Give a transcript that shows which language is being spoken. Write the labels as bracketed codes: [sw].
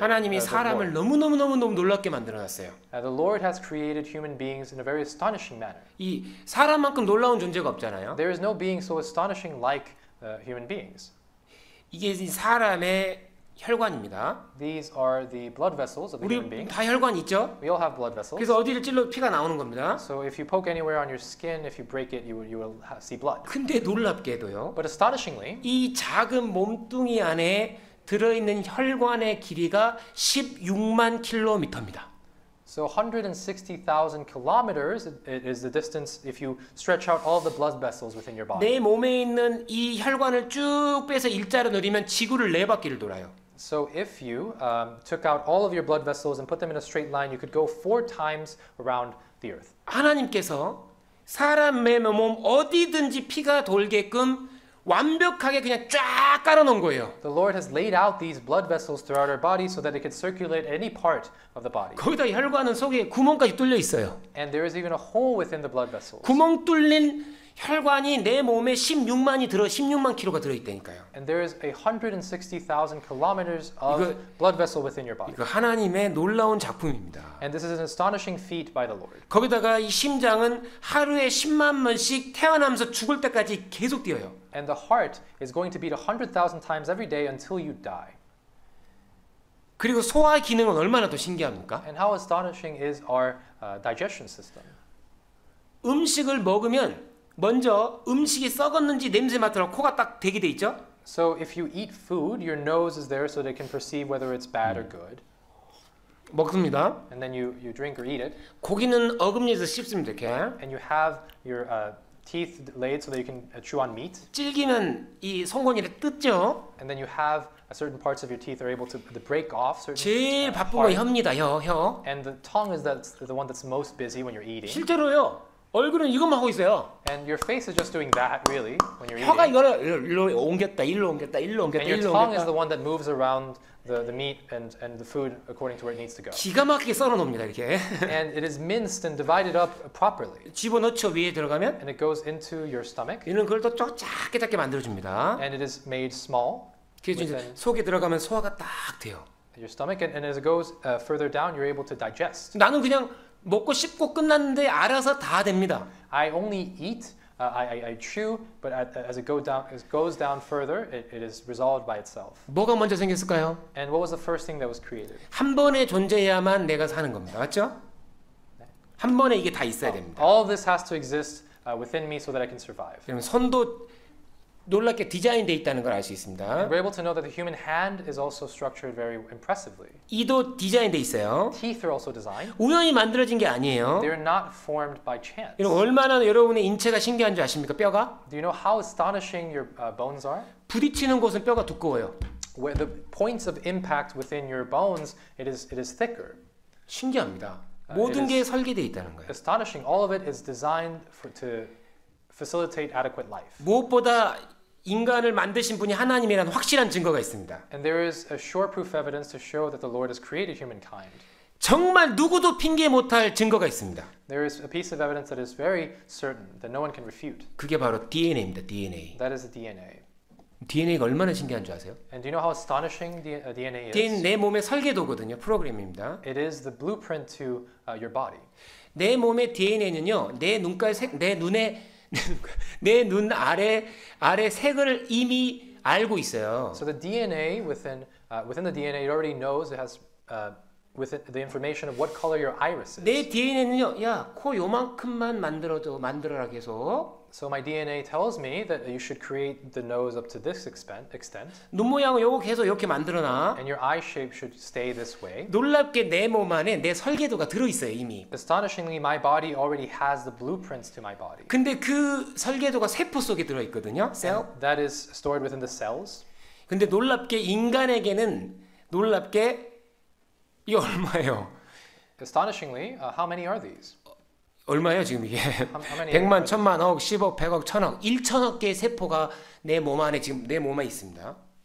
[ko] 하나님이 사람을 너무 놀랍게 만들어 놨어요. [en] The Lord has created human beings in a very astonishing manner. [ko] 이 사람만큼 놀라운 존재가 없잖아요. [en] There is no being so astonishing like human beings. [ko] 이게 사람의 혈관입니다. [en] These are the blood vessels of the human being. [ko] 우리 다 혈관 있죠? [en] We all have blood vessels. [ko] 그래서 어디를 찔러도 피가 나오는 겁니다. [en] So if you poke anywhere on your skin, if you break it, you will see blood. [ko] 근데 놀랍게도요. [en] But astonishingly, [ko] 이 작은 몸뚱이 안에 들어 있는 혈관의 길이가 16만 킬로미터입니다. [en] So 160,000 kilometers is the distance if you stretch out all the blood vessels within your body. [ko] 내 몸에 있는 이 혈관을 쭉 빼서 일자로 누르면 지구를 네 바퀴를 돌아요. [en] So if you took out all of your blood vessels and put them in a straight line, you could go four times around the earth. [ko] 하나님께서 사람의 몸 어디든지 피가 돌게끔 완벽하게 그냥 쫙 깔아놓은 거예요. [en] The Lord has laid out these blood vessels throughout our body so that it could circulate any part of the body. [ko] 거기다 혈관은 속에 구멍까지 뚫려 있어요. [en] And there is even a hole within the blood vessels. [ko] 구멍 뚫린 혈관이 내 몸에 16만이 들어 16만 킬로가 들어 있다니까요. [en] And there is 160,000 kilometers of blood vessel within your body. [ko] 이거 하나님의 놀라운 작품입니다. [en] And this is an astonishing feat by the Lord. [ko] 거기다가 이 심장은 하루에 10만 번씩 태어나면서 죽을 때까지 계속 뛰어요. [en] And the heart is going to beat 100,000 times every day until you die. [ko] 그리고 소화 기능은 얼마나 더 신기합니까? [en] And how astonishing is our digestion system? [ko] 음식을 먹으면 먼저 음식이 썩었는지 냄새 맡으라고 코가 딱 대게 돼 있죠? [en] So if you eat food, your nose is there so they can perceive whether it's bad or good. [ko] 먹습니다. [en] And then you drink or eat it. [ko] 고기는 어금니에서 씹습니다. 이렇게. [en] And you have your teeth laid so that you can chew on meat. [ko] 찔기는 이 송곳니를 뜯죠. [en] And then you have certain parts of your teeth are able to break off. [ko] 제일 바쁜 거 혀입니다. 혀. [en] And the tongue is the one that's most busy when you're eating. [ko] 실제로요. 얼굴은 이것만 하고 있어요. [en] And your face is just doing that really when you're eating. [ko] 혀가 이거를 일로 옮겼다, 일로 옮겼다, 일로 옮겼다, 일로 옮겼다. [en] And your tongue is the one that moves around the meat and the food according to where it needs to go. [ko] 기가 막히게 썰어 놓습니다, 이렇게. [en] And it is minced and divided up properly. [ko] 집어넣죠, 위에 들어가면. [en] And it goes into your stomach. [ko] 얘는 그걸 또 작게 작게 만들어줍니다. [en] And it is made small. [ko] 그게 속에 들어가면 소화가 딱 돼요. [en] Your stomach and as it goes further down, you're able to digest. [ko] 나는 그냥 먹고 씹고 끝났는데 알아서 다 됩니다. [en] I only eat, I chew, but as it goes down further, it is resolved by itself. [ko] 뭐가 먼저 생겼을까요? [en] And what was the first thing that was created? [ko] 한 번에 존재해야만 내가 사는 겁니다. 맞죠? 한 번에 이게 다 있어야 됩니다. [en] All this has to exist within me so that I can survive. [ko] 그럼 손도 놀랍게 디자인돼 있다는 걸 알 수 있습니다. [en] And we're able to know that the human hand is also structured very impressively. [ko] 이도 디자인돼 있어요. [en] Teeth are also designed. [ko] 우연히 만들어진 게 아니에요. [en] They are not formed by chance. [ko] 이거 얼마나 여러분의 인체가 신기한 줄 아십니까? 뼈가? [en] Do you know how astonishing your bones are? [ko] 부딪히는 곳은 뼈가 두꺼워요. [en] Where the points of impact within your bones, it is thicker. [ko] 신기합니다. 모든 게 설계돼 있다는 거예요. [en] Astonishing. All of it is designed to facilitate adequate life. [ko] 무엇보다 인간을 만드신 분이 하나님이라는 확실한 증거가 있습니다. [en] And there is a sure proof evidence to show that the Lord has created humankind. [ko] 정말 누구도 핑계 못할 증거가 있습니다. [en] There is a piece of evidence that is very certain that no one can refute. [ko] 그게 바로 DNA입니다. DNA. [en] That is the DNA. [ko] DNA가 얼마나 신기한 줄 아세요? [en] And do you know how astonishing the DNA is? [ko] DNA 내 몸의 설계도거든요. 프로그램입니다. [en] It is the blueprint to your body. [ko] 내 몸의 DNA는요. 내 눈깔 색, 내 눈에 내 눈 아래 색을 이미 알고 있어요. [en] So the DNA within the DNA it already knows it has with the information of what color your iris is. [ko] 내 DNA는요. 야, 코 요만큼만 만들어라 계속. [en] So my DNA tells me that you should create the nose up to this extent. [ko] 눈 모양은 요거 계속 이렇게 만들어 놔. [en] And your eye shape should stay this way. [ko] 놀랍게 내 몸 안에 내 설계도가 들어 있어요, 이미. [en] Astonishingly, my body already has the blueprints to my body. [ko] 근데 그 설계도가 세포 속에 들어 있거든요. [en] Cell. And that is stored within the cells. [ko] 근데 놀랍게 인간에게는 놀랍게 이 얼마예요? [en] Astonishingly, how many are these? [ko] 얼마예요 지금 이게? 100만, 1000만, 억, 10억, 100억, 1000억, 1000억 개의 세포가 내 몸 안에 지금 내 몸에 있습니다.